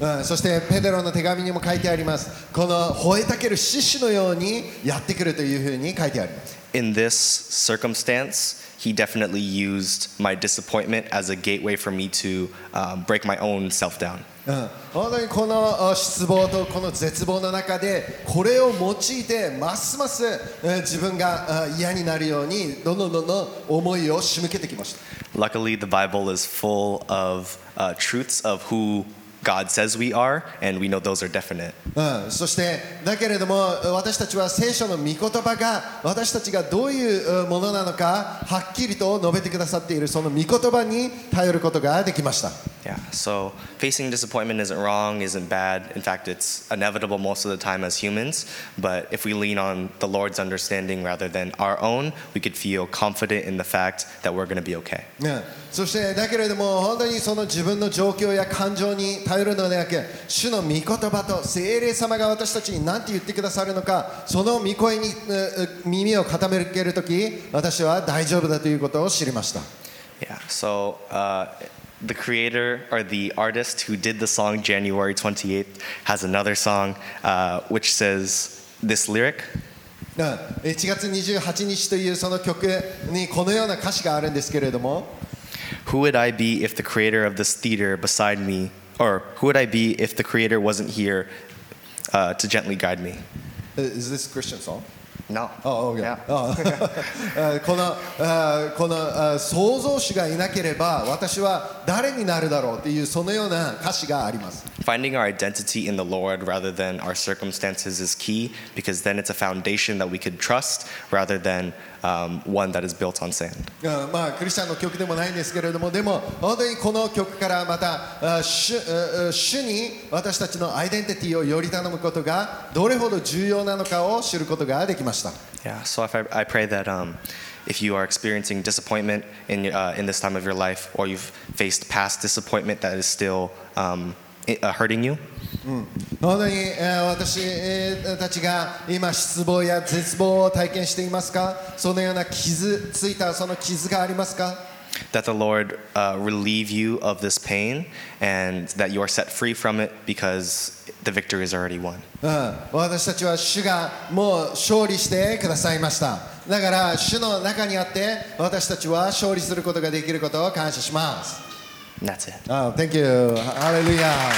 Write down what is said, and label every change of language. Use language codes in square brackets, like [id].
[ja] そしてペテロの手紙にも書いてあります。この吠えたける獅子のようにやってくるというふうに書いてあります。 [en] In this circumstance, he definitely used my disappointment as a gateway for me to break my own self down. [ja] 本当にこの失望とこの絶望の中でこれを用いてますます自分が嫌になるようにどんどんどんどん思いを仕向けてきました。 [en] Luckily, the Bible is full of truths of who God says we are, and we know those are definite. [ja] そして、だけれども、私たちは聖書の御言葉が私たちがどういうものなのかはっきりと述べてくださっているその御言葉に頼ることができました。 [en] Yeah, so facing disappointment isn't wrong, isn't bad. In fact, it's inevitable most of the time as humans. But if we lean on the Lord's understanding rather than our own, we could feel confident in the fact that we're going to be okay. Yeah. [ja] そしてだけれども本当にその自分の状況や感情に頼るのではなく主の御言葉と聖霊様が私たちに何て言ってくださるのかその御声に耳を傾けるとき私は大丈夫だということを知りました。 [en] Yeah, so, the creator or the artist who did the song January 28th has another song, which says this lyric. [ja] 1月28日というその曲にこのような歌詞があるんですけれども。 [en] Who would I be if the creator of this theater beside me, or who would I be if the creator wasn't here, to gently guide me? Is this a Christian song? No. Oh, okay. Yeah. [ja] この、この、創造主がいなければ私は誰になるだろうっていうそのような歌詞があります。 [en] Finding our identity in the Lord rather than our circumstances is key because then it's a foundation that we could trust rather than one that is built on sand. [ja] まあ、クリスチャンの曲でもないんですけれども、でも本当にこの曲からまた、主に私たちのアイデンティティをより頼むことがどれほど重要なのかを知ることができました。 [en] Yeah, so I pray that if you are experiencing disappointment in this time of your life or you've faced past disappointment that is still hurting you. [ja] 本当に私たちが今失望や絶望を体験していますか？そのような傷ついたその傷がありますか？ [en] That the Lord relieve you of this pain and that you are set free from it because the victory is already won. [ja] 私たちは主がもう勝利してくださいました。だから主の中にあって私たちは勝利することができることを感謝します。 [en] That's it. Oh, thank you. Hallelujah.